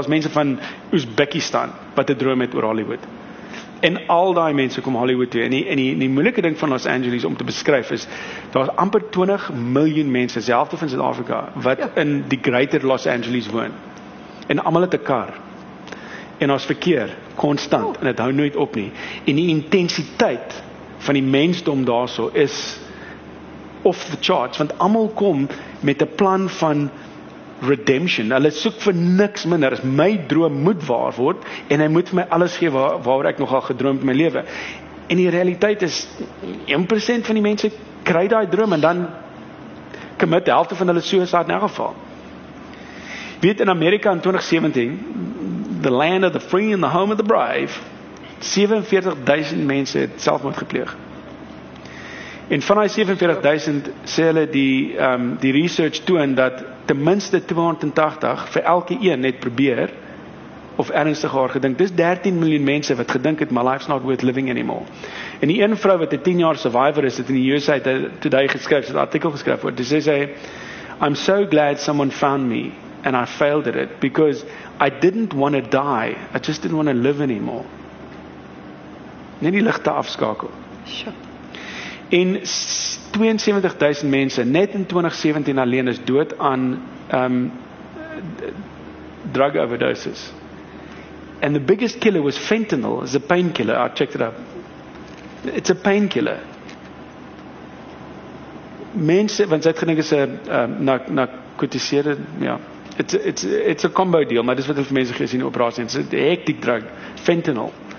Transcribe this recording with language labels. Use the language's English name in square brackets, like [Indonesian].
[Afrikaans] Daar is mense van Uzbekistan, wat 'n droom het oor Hollywood. En al die mense kom Hollywood toe. En die moeilike ding van Los Angeles om te beskryf is, daar is amper 20 miljoen mense, die helfte van Suid-Afrika, wat in die greater Los Angeles woon. En almal het 'n kar. En daar is verkeer, constant, en het hou nooit op nie. En die intensiteit van die mensdom daarso is off the charts, want almal kom met 'n plan van redemption. Hulle soek vir niks minder as my droom moet waar word en hy moet vir my alles gee waar ek nogal gedroom het in my lewe. En die realiteit is 1% van die mense kry daai droom en dan commit die helfte van hulle suicide in elk geval. Weet, in Amerika in 2017, [English] the land of the free and the home of the brave, [Afrikaans] 47,000 mense het selfmoord gepleeg. En van die 47,000 sê hulle die research toon dat ten minste 280 vir elke een net probeer of ernstig haar gedink. Dis 13 miljoen mense wat gedink het, [English] my life's not worth living anymore. [Afrikaans] En die een vrou wat 'n 10 jaar survivor is, het in die USA Today geskryf, het 'n artikel geskryf oor. Dis sê, [English] I'm so glad someone found me and I failed at it because I didn't want to die. I just didn't want to live anymore. [Afrikaans] Net die ligte afskakel. [English] Sure. [Afrikaans] En 72,000 mense net in 2017 alleen is dood aan drug overdoses. [English] And the biggest killer was fentanyl. It's a painkiller. I checked it up. It's a painkiller. [Afrikaans] Mense, want sy het gedink is 'n narkotiseerder, ja. [English] It's a combo deal, [Afrikaans] maar dis wat hulle vir mense gee in die operasie. [English] It's a hectic drug, fentanyl.